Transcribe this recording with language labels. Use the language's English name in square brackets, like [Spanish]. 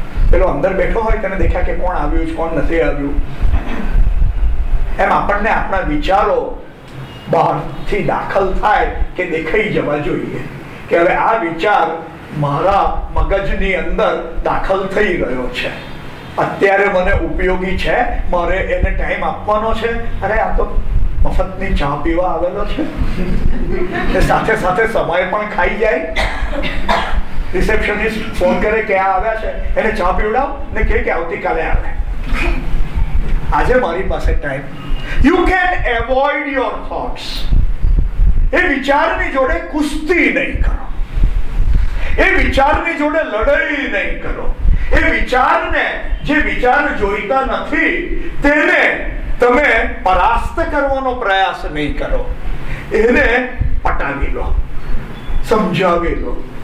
[Gujarati] પેલો અંદર બેઠો હોય તેને દેખ્યા કે કોણ આવ્યું છે કોણ નથી આવ્યું, એમ આપણને આપણા વિચારો બહારથી દાખલ થાય કે દેખાઈ જવા જોઈએ કે હવે આ વિચાર મારા મગજની અંદર દાખલ થઈ ગયો છે, અત્યારે મને ઉપયોગી છે, મારે એને ટાઈમ આપવાનો છે. અરે આ તો મફતની ચા પીવા આવેલો છે, એ સાથે સાથે સમય પણ ખાઈ જાય. રિસેપ્શનિસ્ટ ફોન કરે કે આ આવ્યા છે, એને ચા પીવડાવ ને કહે કે આવતીકાલે આવે, આજે મારી પાસે time. [English] You can avoid your thoughts. [Gujarati] એ વિચારની જોડે કુસ્તી નહીં કરો, એ વિચારની જોડે લડાઈ નહીં કરો. એ વિચારને, જે વિચાર જોઈતા નથી તેને તમે પરાસ્ત કરવાનો પ્રયાસ નહીં કરો, એને પટાવી લો, સમજાવી લો.